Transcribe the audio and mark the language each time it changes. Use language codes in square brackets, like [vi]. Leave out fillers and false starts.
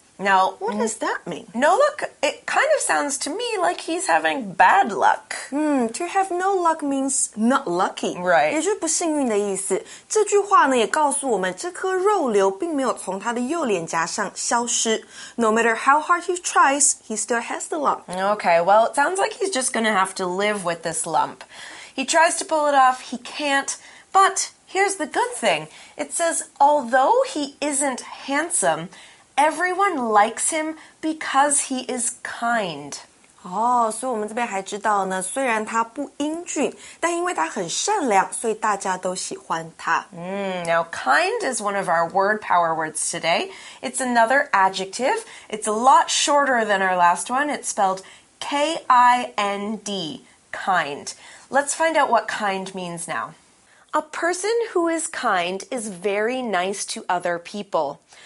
[en] Now, what does that mean? No luck, it kind of sounds to me like he's having bad luck. To have no luck means not lucky. Right. [zh] 也就是不幸运的意思。这句话呢也告诉我们这颗肉瘤并没有从他的右脸颊上消失。 [en] No matter how hard he tries, he still has the lump. Okay, well, it sounds like he's just going to have to live with this lump. He tries to pull it off, he can't, but here's the good thing. It says, although he isn't handsome... Everyone likes him because he is kind. [zh] Oh, so we 这边还知道呢，虽然他不英俊，但因为他很善良，所以大家都喜欢他。 [en] Now, kind is one of our word power words today. It's another adjective. It's a lot shorter than our last one. It's spelled K-I-N-D, kind. Let's find out what kind means now. A person who is kind is very nice to other people.